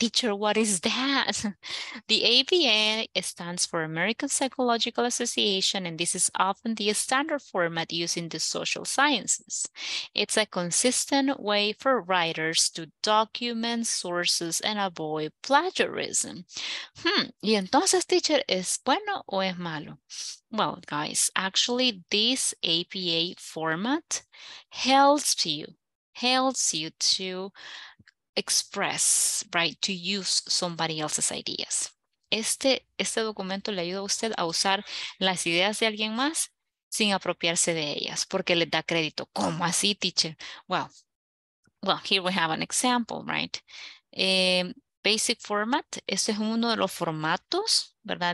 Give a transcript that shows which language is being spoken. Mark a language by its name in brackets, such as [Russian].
[English] Teacher, what is that? The APA stands for American Psychological Association, and this is often the standard format used in the social sciences. It's a consistent way for writers to document sources and avoid plagiarism. [Spanish] ¿Y entonces, teacher, es bueno o es malo? [English] Well, guys, actually, this APA format helps you to express, right, to use somebody else's ideas. [Spanish] Este documento le ayuda a usted a usar las ideas de alguien más sin apropiarse de ellas, porque le da crédito. ¿Cómo así, teacher? [English] Well, here we have an example, right? Basic format, [Spanish] este es uno de los formatos, ¿verdad?